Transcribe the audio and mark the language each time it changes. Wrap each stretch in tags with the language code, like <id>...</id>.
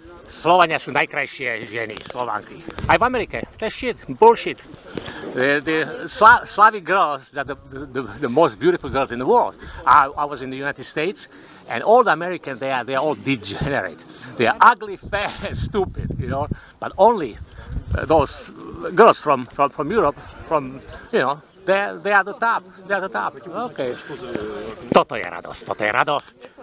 <sk>Slovania sú najkrajšie ženy, Slovanky. Aj v Amerike, to je shit, bullshit.</sk> <en>The Slavic girls are the most beautiful girls in the world. I was in the United States, and all the Americans, they are all degenerate. They are ugly, fat, and stupid, you know, but only those girls from Europe, from, you know, they are the top, they are the top. Okay.</en> <sk>Toto je radosť, toto je radosť.</sk>